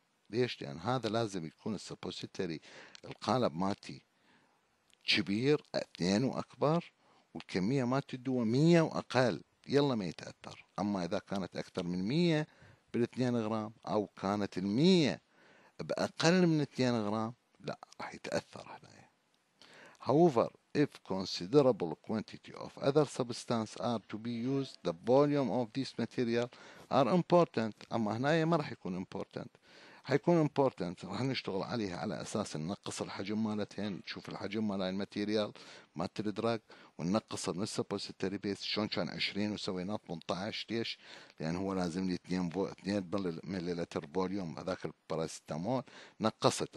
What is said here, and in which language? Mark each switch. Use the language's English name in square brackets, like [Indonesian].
[Arabic] ليش؟ لأن هذا لازم يكون السبوستري القالب مالتي كبير 2 وأكبر والكمية مالتي الدواء 100 وأقل، يلا ما يتأثر. أما إذا كانت أكثر من 100 بالاثنين غرام أو كانت 100 بأقل من 2 غرام، لا راح يتأثر هنا. [English] However, if considerable quantity of other substance are to be used, the volume of this material are important. [Arabic] أما هنا ما رح يكون important. هيكون important، رح نشتغل عليها على أساس ننقص الحجم مالتهن، نشوف الحجم مال الماتيريال مالت الدراج وننقص من السبوستري بيس. شلون كان 20 وسوينا 18؟ ليش؟ لأن هو لازم لي 2 مليلتر فوليوم هذاك الباراسيتامول، نقصت.